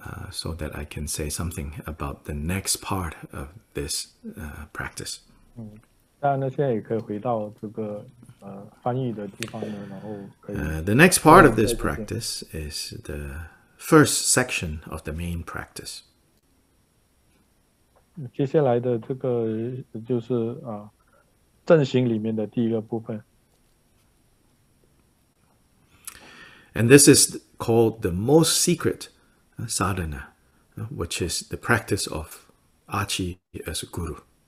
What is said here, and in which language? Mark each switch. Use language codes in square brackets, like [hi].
[en] so that I can say something about the next part of this practice. [zh] 当然呢，现在也可以回到这个翻译的地方呢，然后可以。The [en] next part of this practice is the first section of the main practice. [zh] 接下来的这个就是正行里面的第一个部分。And [en] this is called the most secret sadhana, which is the practice of Achi as guru.